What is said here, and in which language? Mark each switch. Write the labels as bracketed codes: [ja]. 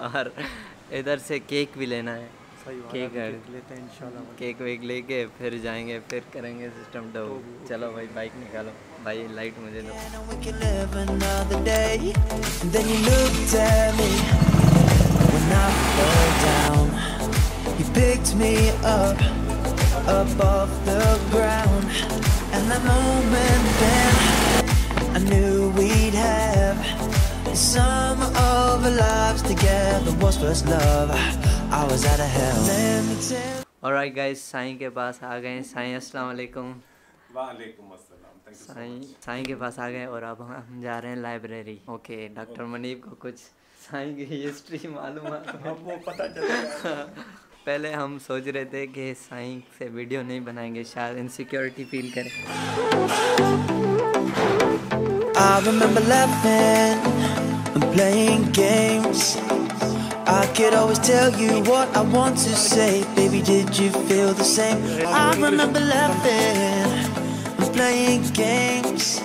[hi] और इधर से केक भी लेना है, केक लेते हैं इंशाल्लाह। केक वेक लेके फिर जाएंगे, फिर करेंगे सिस्टम डाउन। चलो भाई बाइक निकालो भाई, लाइट मुझे दो। [en] You picked me up above the ground, and that moment then I knew we'd have some of our lives together. Was first love, I was out of hell. Alright guys, [hi] Sai के पास आ गए। साईं अस्सलाम वालेकुम। वालेकुम अस्सलाम, thank you. Sai Sai के पास आ गए, और अब हम जा रहे हैं लाइब्रेरी। ओके, डॉक्टर मुनीब को कुछ साईं की हिस्ट्री मालूम है, अब वो पता चलेगा। पहले हम सोच रहे थे कि साईं से वीडियो नहीं बनाएंगे, शायद इनसिक्योरिटी फील करें। [en] I remember laughing and playing games. I could always tell you what I want to say. Baby, did you feel the same? I remember laughing and playing games.